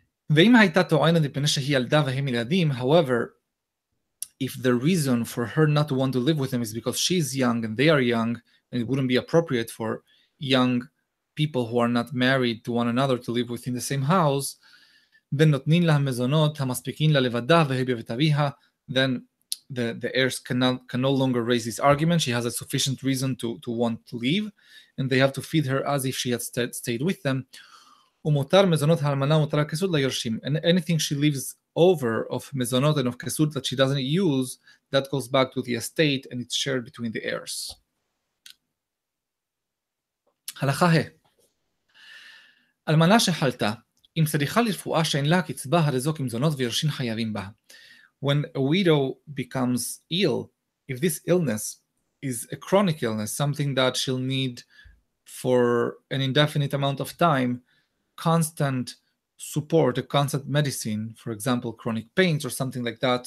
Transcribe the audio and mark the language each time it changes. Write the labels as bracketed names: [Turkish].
[Hebrew] ואם הייתה טוענת מפני שהיא ילדה והם ילדים, [English] however, if the reason for her not to want to live with them is because she's young and they are young, and it wouldn't be appropriate for young people who are not married to one another to live within the same house, then [Hebrew] נותנים לה מזונות המספיקים לה לבדה והיא בבית אביה, [English] then the heirs can no longer raise this argument. She has a sufficient reason to want to leave, and they have to feed her as if she had stayed with them. [Hebrew] ומותר מזונות האלמנה ומותר הכסות ליורשים. [English] And anything she leaves over of מזונות and of כסות that she doesn't use, that goes back to the estate and it's shared between the heirs. [Hebrew] הלכה ה. אלמנה שחלתה, אם צריכה לרפואה שאין לה קצבה, הרי זו כמזונות וירשים חייבים בה. [English] When a widow becomes ill, if this illness is a chronic illness, something that she'll need for an indefinite amount of time, constant support, a constant medicine, for example, chronic pains or something like that.